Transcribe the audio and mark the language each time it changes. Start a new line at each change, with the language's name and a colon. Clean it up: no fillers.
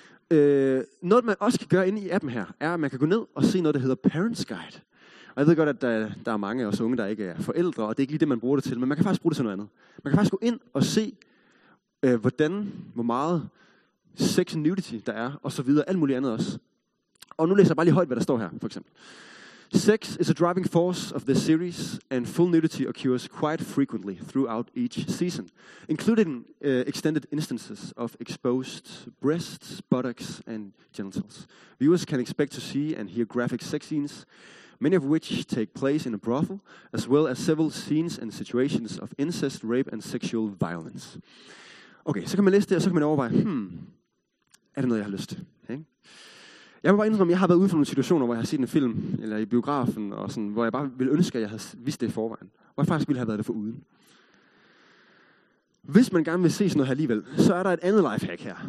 Danish: Noget, man også kan gøre inde i appen her, er, at man kan gå ned og se noget, der hedder Parents Guide. Og jeg ved godt, at der er mange af os unge, der ikke er forældre, og det er ikke lige det, man bruger det til, men man kan faktisk bruge det til noget andet. Man kan faktisk gå ind og se, hvor meget
English: sex and nudity
Danish: der er, og så videre, alt muligt andet også. Og nu læser jeg bare lige højt, hvad der står her, for eksempel.
English: Sex is a driving force of this series, and full nudity occurs quite frequently throughout each season, including extended instances of exposed breasts, buttocks, and genitals. Viewers can expect to see and hear graphic sex scenes, many of which take place in a brothel, as well as several scenes and situations of incest, rape, and sexual violence.
Danish: Okay, så kan man læse det, og så kan man overveje, er det noget, jeg har lyst til? Okay. Jeg vil bare indrømme, at jeg har været ude for nogle situationer, hvor jeg har set en film, eller i biografen, og sådan, hvor jeg bare ville ønske, at jeg havde vidst det i forvejen. Hvor jeg faktisk ville have været det for uden. Hvis man gerne vil se sådan noget her alligevel, så er der et andet lifehack her.